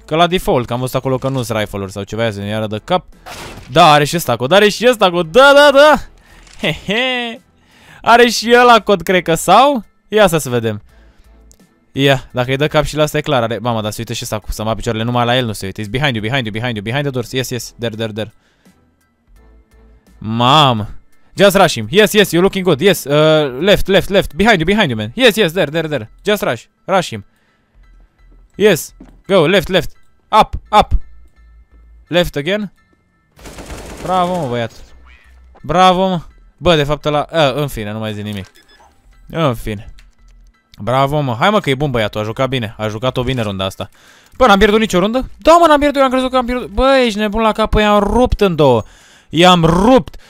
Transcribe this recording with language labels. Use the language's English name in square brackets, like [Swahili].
[Romanian] Că la default, că am văzut acolo că nu-s rifle-uri sau ceva, să-i iară de cap. Da, are și ăsta cod, are și ăsta cod. Da. He-he. Are și ăla cod, cred că, sau? Ia să vedem. Ia, dacă îi dă cap și la asta e clar, are... Mama, dar se uită și ăsta cu sama picioarele, numai la el nu se uită. [English] It's behind you, behind the doors, yes, there. Mam. Just rush him, yes, you're looking good, yes, left, behind you, man, yes, there. Just rush him. Yes, go, left, up, left again. [Romanian] Bravo, mă, băiat. Bravo, mă. Bă, de fapt ăla, în fine, nu mai zic nimic. În fine. Bravo, mă. Hai, mă, că e bun băiatul, a jucat bine. A jucat-o bine runda asta. Bă, n-am pierdut nicio rundă? Da, mă, n-am pierdut, eu am crezut că am pierdut. Bă, ești nebun la cap, i-am rupt în două. I-am rupt.